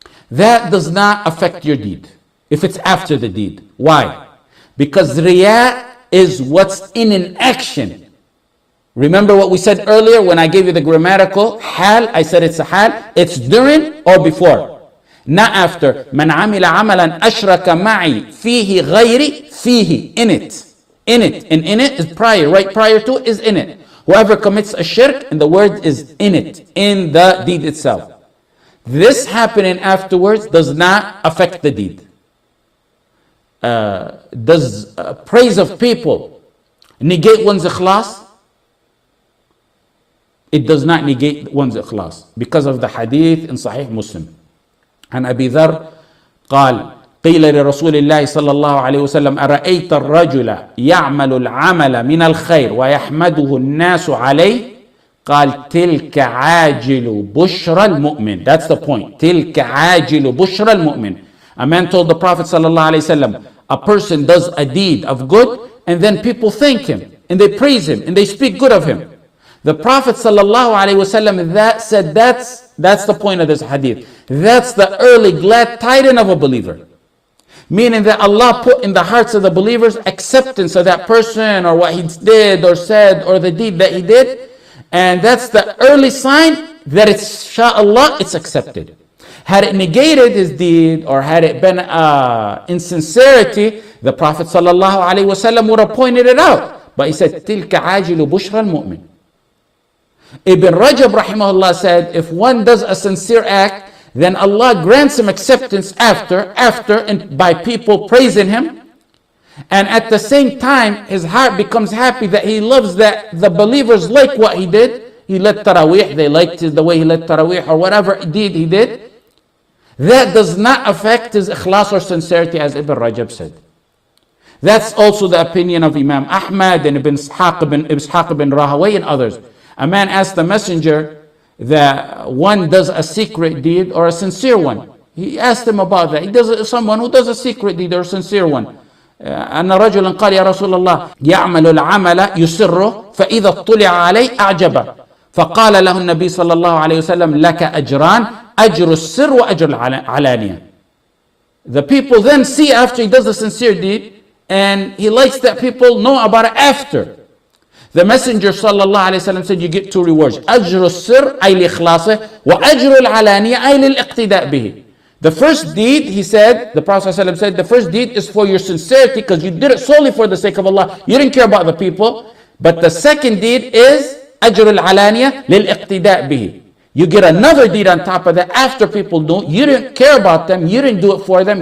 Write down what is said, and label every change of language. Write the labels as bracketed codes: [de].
[en] That does not affect your deed if it's after the deed. Why? Because riya is what's in an action. Remember what we said earlier when I gave you the grammatical hal? I said it's a hal. It's during or before. Not after. [ar] من عمل عملا أشرك معي فيه غيري فيه. [en] In it. In it. And in it is prior. Right prior to is in it. Whoever commits a shirk, and the word is in it. In the deed itself. This happening afterwards does not affect the deed. Does praise of people negate one's ikhlas? It does not negate one's ikhlas because of the hadith in Sahih Muslim. [ar] And Abi Dharr قال قيل لرسول الله صلى الله عليه وسلم أرأيت الرجل يعمل العمل من الخير ويحمده الناس عليه قال تلك عاجل بشرى المؤمن. That's the point. تلك عاجل بشرى المؤمن. [en] A man told the Prophet صلى الله عليه وسلم, a person does a deed of good and then people thank him and they praise him and they speak good of him. The Prophet sallallahu alaihi wasallam that said that's the point of this hadith. That's the early glad tidings of a believer. Meaning that Allah put in the hearts of the believers acceptance of that person or what he did or said or the deed that he did. And that's the early sign that it's, inshallah, it's accepted. Had it negated his deed or had it been insincerity, the Prophet sallallahu alaihi wasallam would have pointed it out. [ar] But he said, تِلْكَ عَاجِلُ بُشْرَى الْمُؤْمِنِ. [en] Ibn Rajab rahimahullah said, if one does a sincere act, then Allah grants him acceptance after and by people praising him. And at the same time, his heart becomes happy that he loves that the believers like what he did. He led taraweeh, they liked the way he led taraweeh or whatever deed he did. That does not affect his ikhlas or sincerity, as Ibn Rajab said. That's also the opinion of Imam Ahmad and Ibn Ishaq ibn Rahaway and others. A man asked the messenger that one does a secret deed or a sincere one. He asked him about that. He does someone who does a secret deed or a sincere one. [ar] أن رجلا قال يا رسول الله يعمل العمل يسره فإذا اطلع عليه أعجبه فقال له النبي صلى الله عليه وسلم لك أجران أجر السر وأجر العلانية. [en] The people then see after he does a sincere deed and he likes that people know about it after. The messenger صلى الله عليه وسلم said you get two rewards. [ar] أجر السر أي لإخلاصه وأجر العلانية أي للإقتداء به. [en] The first deed, he said, the Prophet ﷺ said, the first deed is for your sincerity because you did it solely for the sake of Allah. You didn't care about the people. But the second deed is أجر العلانية للإقتداء به. You get another deed on top of that after people know. You didn't care about them. You didn't do it for them.